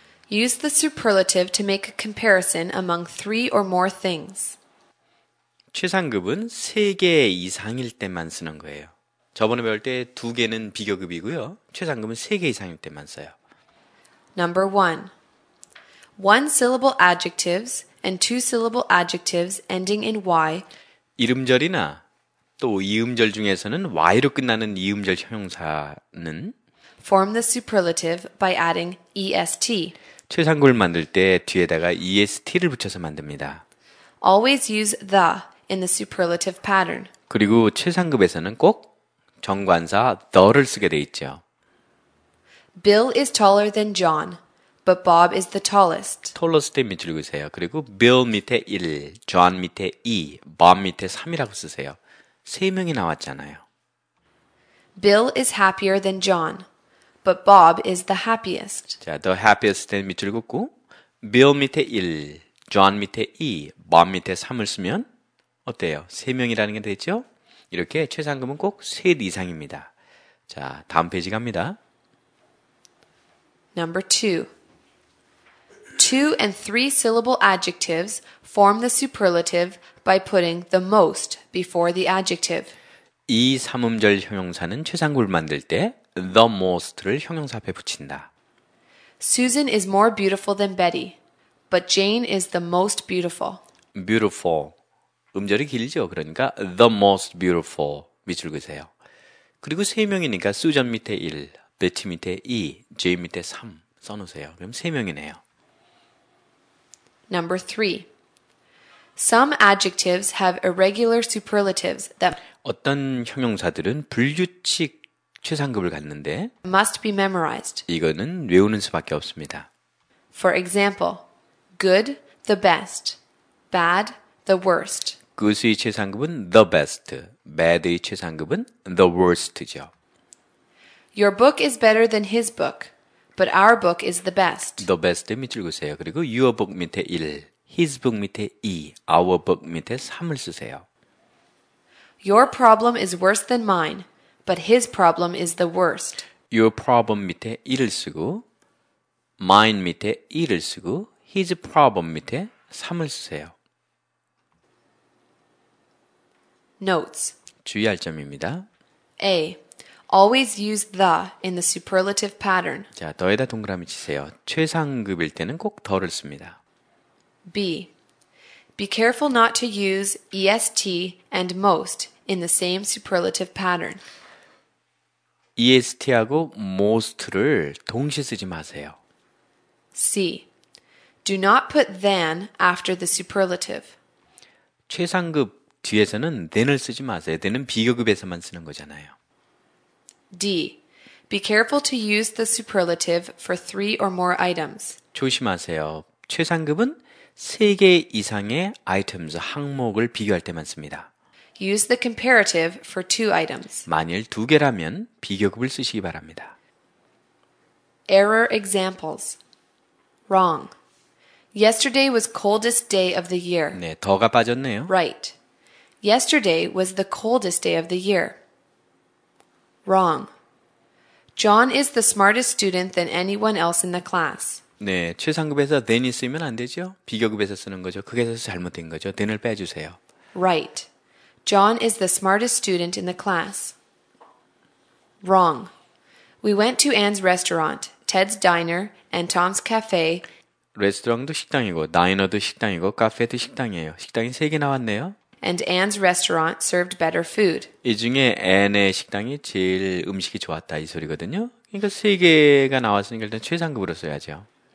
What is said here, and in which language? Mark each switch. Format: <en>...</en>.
<en>Use the superlative to make a comparison among three or more things.</en> <ko>최상급은 세 개 이상일 때만 쓰는 거예요. 저번에 배울 때 두 개는 비교급이고요. 최상급은 세 개 이상일 때만 써요.</ko> <en>Number one. One syllable adjectives and two syllable adjectives ending in Y.</en> <ko>이름절이나 또 이음절 중에서는 Y로 끝나는 이음절 형용사는</ko> <en>form the superlative by adding EST.</en> <ko>최상급을 만들 때 뒤에다가 EST를 붙여서 만듭니다.</ko> <en>Always use the in the superlative pattern.</en> <ko>그리고 최상급에서는 꼭 정관사 the를 쓰게 돼 있죠.</ko> <en>Bill is taller than John, but Bob is the tallest.</en> <ko>톨러스트 밑줄 그으세요. 그리고 Bill 밑에 1, John 밑에 2, Bob 밑에 3이라고 쓰세요. 세 명이 나왔잖아요. Bill is happier than John, but Bob is the happiest. 자,</ko> <en>the happiest</en> <ko>는 밑줄 긋고 Bill 밑에 1, John 밑에 2, Bob 밑에 3을 쓰면 어때요? 세 명이라는 게 되죠? 이렇게 최상급은 꼭 셋 이상입니다. 자, 다음 페이지 갑니다.</ko> <en>Number 2. Two and three syllable adjectives form the superlative by putting the most before the adjective.</en> <ko>이 삼음절 형용사는 최상급을 만들 때</ko> <en>the most</en> <ko>를 형용사 앞에 붙인다.</ko> <en>Susan is more beautiful than Betty, but Jane is the most beautiful.</en> <ko>Beautiful. 음절이 길죠. 그러니까</ko> <en>the most beautiful</en> <ko>밑줄 그으세요. 그리고 세 명이니까 Susan 밑에 1, Betty 밑에 2, Jane 밑에 3 써놓으세요. 그럼 세 명이네요.</ko> <en>Number 3. Some adjectives have irregular superlatives that</en> <ko>어떤 형용사들은 불규칙 최상급을 갖는데</ko> <en>must be memorized.</en> <ko>이거는 외우는 수밖에 없습니다.</ko> <en>For example, good, the best, bad, the worst.</en> <ko>Good의 최상급은</ko> <en>the best,</en> <ko>bad의 최상급은</ko> <en>the worst</en> <ko>죠.</ko> <en>Your book is better than his book, but our book is the best. The best</en> <ko>밑줄 그으세요. 그리고</ko> <en>your book</en> <ko>밑에 1,</ko> <en>his book</en> <ko>밑에 2,</ko> <en>our book</en> <ko>밑에 3을 쓰세요.</ko> <en>Your problem is worse than mine, but his problem is the worst. Your problem</en> <ko>밑에 1을 쓰고, mine 밑에 2를 쓰고,</ko> <en>his problem</en> <ko>밑에 3을 쓰세요.</ko> <en>Notes.</en> <ko>주의할 점입니다.</ko> <en>A. Always use the in the superlative pattern.</en> <ko>자, 더에다 동그라미 치세요. 최상급일 때는 꼭 더를 씁니다.</ko> <en>B. Be careful not to use EST and most in the same superlative pattern.</en> <ko>EST하고 most를 동시에 쓰지 마세요.</ko> <en>C. Do not put than after the superlative.</en> <ko>최상급 뒤에서는 than을 쓰지 마세요. than은 비교급에서만 쓰는 거잖아요.</ko> <en>D. Be careful to use the superlative for three or more items.</en> <ko>조심하세요. 최상급은 세 개 이상의 items, 항목을 비교할 때만 씁니다.</ko> <en>Use the comparative for two items.</en> <ko>만일 두 개라면 비교급을 쓰시기 바랍니다.</ko> <en>Error examples. Wrong. Yesterday was coldest day of the year.</en> <ko>네, 더가 빠졌네요.</ko> <en>Right. Yesterday was the coldest day of the year. Wrong. John is the smartest student than anyone else in the class.</en> <ko>네, 최상급에서 than이 쓰면 안 되죠. 비교급에서 쓰는 거죠. 그게 잘못된 거죠. than을 빼주세요.</ko> <en>Right. John is the smartest student in the class. Wrong. We went to Anne's restaurant, Ted's diner, and Tom's cafe.</en> <ko>레스토랑도 식당이고, 다이너도 식당이고, 카페도 식당이에요. 식당이 세 개 나왔네요.</ko> <en>And Anne's restaurant served better food.</en> <ko>이 중에 앤의 식당이 제일 음식이 좋았다 이 소리거든요. 그러니까 세 개가 나왔으니까 일단 최상급으로 써야죠.</ko>